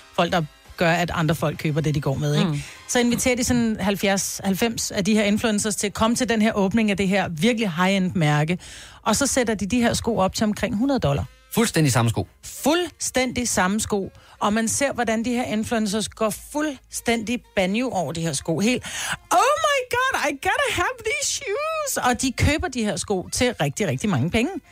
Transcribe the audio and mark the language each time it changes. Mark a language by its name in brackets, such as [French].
[Danish] Folk, der gør, at andre folk køber det, de går med. Ikke? Mm. Så inviterer de sådan 70-90 af de her influencers til at komme til den her åbning af det her virkelig high-end mærke. Og så sætter de de her sko op til omkring $100. Fuldstændig samme sko. Fuldstændig samme sko. Og man ser, hvordan de her influencers går fuldstændig banjo over de her sko. [English] Helt, oh my god, I gotta have these shoes! [Danish] Og de køber de her sko til rigtig, rigtig mange penge.